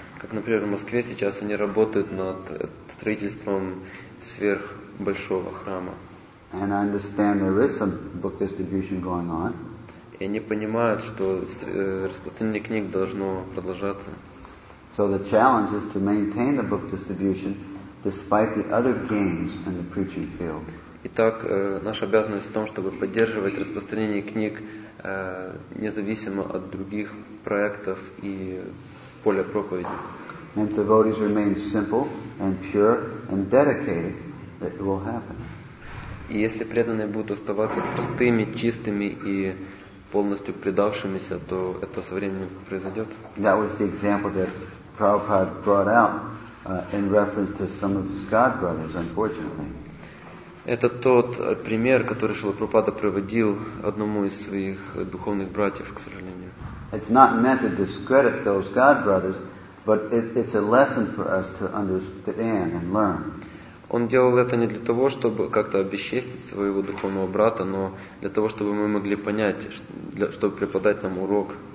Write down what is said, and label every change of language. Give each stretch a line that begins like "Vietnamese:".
Russian: Как, например, в Москве сейчас они работают над строительством сверхбольшого храма.
English: And I understand there is some book distribution going on.
Russian: И они понимают, что распространение книг должно продолжаться.
English: So the challenge is to maintain the book distribution despite the other gains in the preaching field.
Russian: Итак, наша обязанность в том, чтобы поддерживать распространение книг независимо от других проектов и поля проповеди.
English: If devotees remain simple and pure and dedicated, it will happen.
Russian: И если преданные будут оставаться простыми, чистыми и полностью предавшимися, то это со временем произойдет.
English: That was the example that Prabhupada brought out in reference to some of his god brothers, unfortunately.
Russian: Это тот пример, который Шрила Прабхупада проводил одному из своих духовных братьев, к сожалению.
English: It's not meant to discredit those god brothers, but it's a lesson for us to understand and learn.
Russian: Он делал это не для того, чтобы как-то обесчестить своего духовного брата, но для того, чтобы мы могли понять, чтобы преподать нам урок.